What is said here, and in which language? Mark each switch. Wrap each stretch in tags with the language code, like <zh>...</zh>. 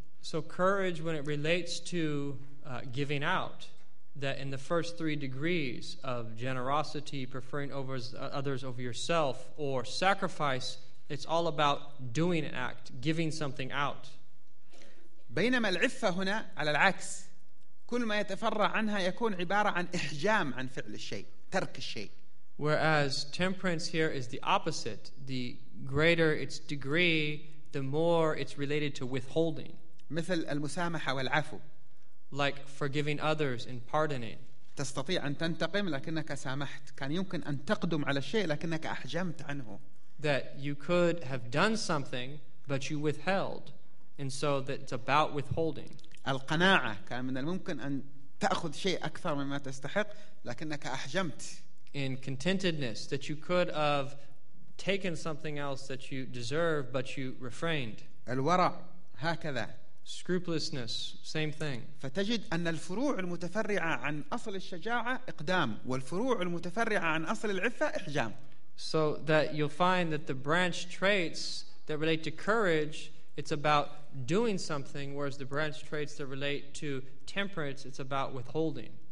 <en>So courage, when it relates to giving out, that in the first three degrees of generosity, preferring over others over yourself, or sacrifice, it's all about doing an act, giving something out.</en> <ar>بينما العفة هنا على العكس كل ما يتفرع عنها يكون عبارة عن إحجام عن فعل الشيء ترك الشيء.</ar> <en>Whereas temperance here is the opposite. The greater its degree, the more it's related to withholding.</en> <ar>مثل المسامحة والعفو.</ar> <en>Like forgiving others and pardoning.</en> <ar>تستطيع أن تنتقم لكنك سامحت. كان يمكن أن تقدم على الشيء لكنك أحجمت عنه.</ar> <en>That you could have done something but you withheld. And so that it's about withholding.</en> <ar>القناعة كان من الممكن أن تأخذ شيء أكثر مما تستحق لكنك أحجمت.</ar> <en>In contentedness, that you could have taken something else that you deserve but you refrained.</en> <ar>الورع هكذا.</ar> <en>Scrupulousness, same thing.</en> <ar>فتجد أن الفروع المتفرعة عن أصل الشجاعة إقدام والفروع المتفرعة عن أصل العفة إحجام.</ar> <en>So that you'll find that the branch traits that relate to courage, it's about doing something, whereas the branch traits that relate to temperance, it's about withholding.</en>